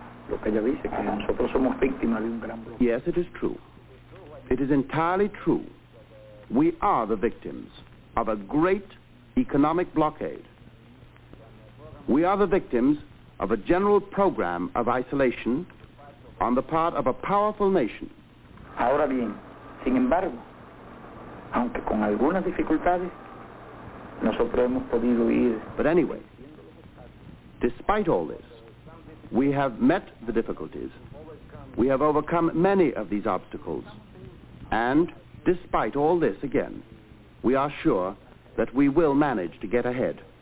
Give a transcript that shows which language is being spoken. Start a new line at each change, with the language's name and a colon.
English: Yes, it is true. It is entirely true. We are the victims of a great economic blockade. We are the victims of a general program of isolation on the part of a powerful nation.
Spanish: Ahora bien, sin embargo, aunque con algunas dificultades, nosotros hemos podido ir.
English: But anyway, despite all this, we have met the difficulties. We have overcome many of these obstacles. And despite all this, again, we are sure that we will manage to get ahead.